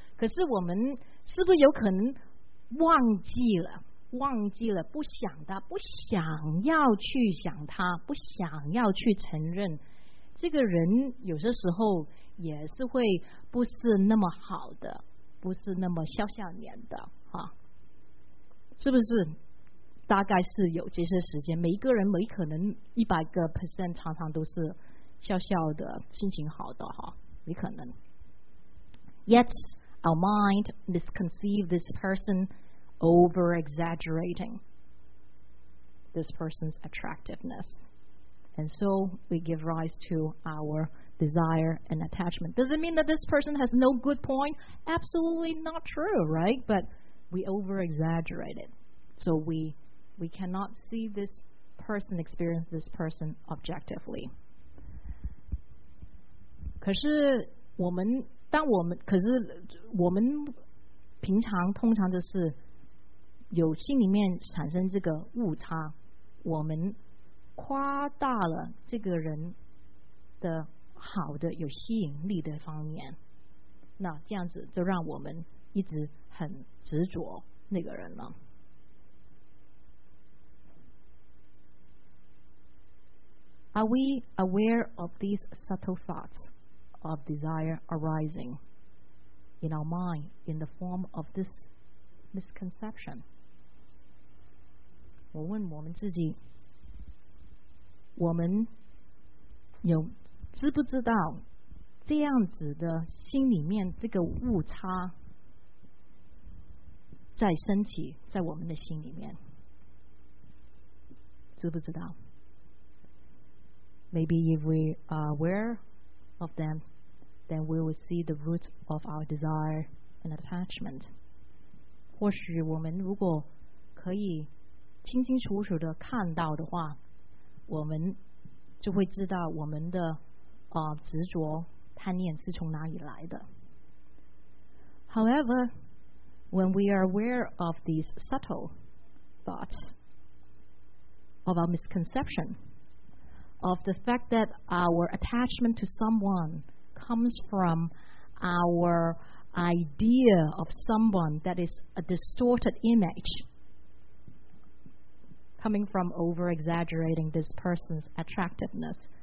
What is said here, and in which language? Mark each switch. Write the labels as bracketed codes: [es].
[zh] 可是我们是不是有可能忘记了，不想他，不想要去想他，不想要去承认这个人有些时候也是会不是那么好的，不是那么肖像年的哈，是不是？大概是有这些时间，每一个人每可能100% 常常都是笑笑的，心情好的哈，没可能。 [en] Yet our mind misconceive this person over exaggerating this person's attractiveness, and so we give rise to our desire and attachment. Does it mean that this person has no good point? Absolutely not true, right? But we over exaggerate it, so we cannot see this person, experience this person objectively. [zh] 可是我们，但我们，可是我们平常通常就是有心里面产生这个误差，我们夸大了这个人的好的有吸引力的方面，那这样子就让我们一直很执着那个人了。 [en] Are we aware of these subtle thoughts of desire arising in our mind in the form of this misconception? [zh] 我问我们自己，我们有知不知道这样子的心里面这个误差在升起在我们的心里面，知不知道？ [en] Maybe if we are aware of them, then we will see the root of our desire and attachment. [zh] 或许我们如果可以清清楚楚的看到的话，我们就会知道我们的执着贪念是从哪里来的。 [en] However, when we are aware of these subtle thoughts of our misconception,of the fact that our attachment to someone comes from our idea of someone that is a distorted image coming from over-exaggerating this person's attractiveness.